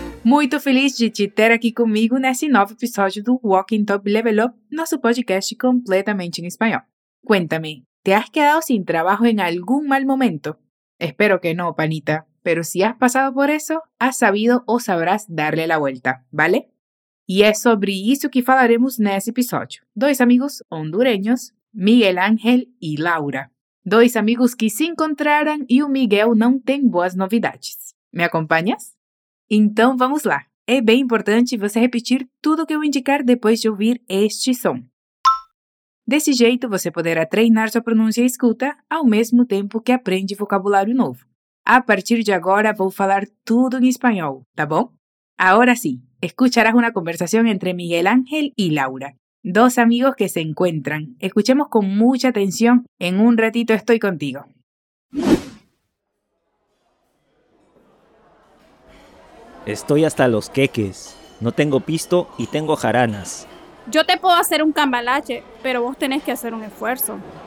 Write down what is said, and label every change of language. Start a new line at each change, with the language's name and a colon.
Portuguese: Muito feliz de te ter aqui comigo nesse novo episódio do Walking Top Level Up, nosso podcast completamente em espanhol.
Spanish: Cuéntame, ¿te has quedado sin trabajo en algún mal momento? Espero que no, panita, pero si has pasado por eso, has sabido o sabrás darle la vuelta, ¿vale? Y es sobre
Portuguese: isso que falaremos nesse episódio. Dois amigos hondureños, Miguel Ángel y Laura. Dois amigos que se encontraram e o Miguel não tem boas novidades. Me acompanhas? Então vamos lá. É bem importante você repetir tudo o que eu indicar depois de ouvir este som. Desse jeito você poderá treinar sua pronúncia e escuta ao mesmo tempo que aprende vocabulário novo. A partir de agora vou falar tudo em espanhol, tá bom? Agora sim, escucharás uma conversação entre Miguel Ángel e Laura.
Spanish: Dos amigos que se encuentran. Escuchemos con mucha atención. En un ratito estoy contigo. Estoy hasta los queques. No tengo pisto y tengo jaranas. Yo te puedo hacer un cambalache, pero vos tenés que hacer un esfuerzo.